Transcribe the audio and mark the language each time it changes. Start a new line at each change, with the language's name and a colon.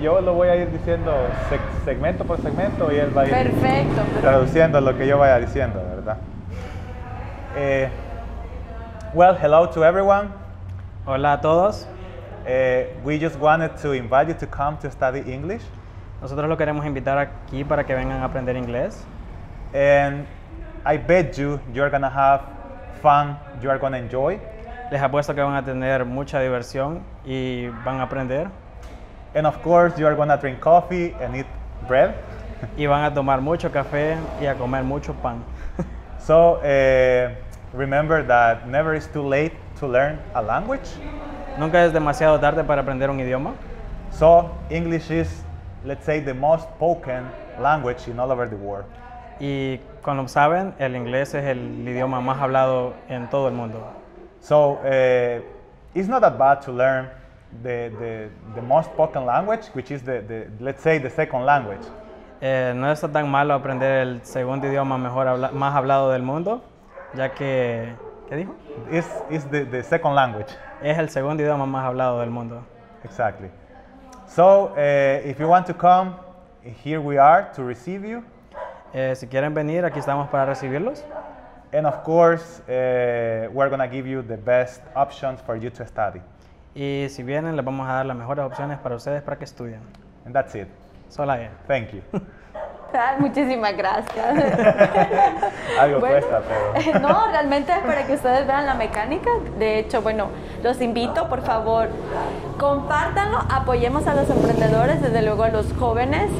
Spanish: Yo lo voy a ir diciendo segmento por segmento y él va a ir traduciendo lo que yo vaya diciendo, ¿verdad?
English: Well, hello to everyone.
Spanish: Hola a todos.
English: We just wanted to invite you to come to study English.
Spanish: Nosotros lo queremos invitar aquí para que vengan a aprender inglés.
English: And I bet you are gonna have fun, you are gonna enjoy.
Spanish: Les apuesto que van a tener mucha diversión y van a aprender.
English: And of course you are gonna drink coffee and eat bread.
Spanish: Y van a tomar mucho café y a comer mucho pan.
English: So, remember that never is too late to learn a language.
Spanish: Nunca es demasiado tarde para aprender un idioma.
English: So, English is, let's say, the most spoken language in all over the world.
Spanish: Y como saben, el inglés es el idioma más hablado en todo el mundo.
English: So, it's not that bad to learn the most spoken language, which is the let's say the second language.
Spanish: No está tan malo aprender el segundo idioma mejor más hablado del mundo, ya que ¿qué dijo?
English: Is the second language.
Spanish: Es el segundo idioma más hablado del mundo.
English: Exactly. So, if you want to come, here we are to receive you.
Spanish: Si quieren venir, aquí estamos para recibirlos.
English: And of course, we're going to give you the best options for you to study.
Spanish: Y si vienen, les vamos a dar las mejores opciones para ustedes para que estudien.
English: And that's it.
Spanish: Sola ya.
English: Thank you.
Spanish: Muchísimas gracias. Algo bueno, cuesta, pero... No, realmente es para que ustedes vean la mecánica. De hecho, bueno, los invito, por favor, compártanlo, apoyemos a los emprendedores, desde luego a los jóvenes.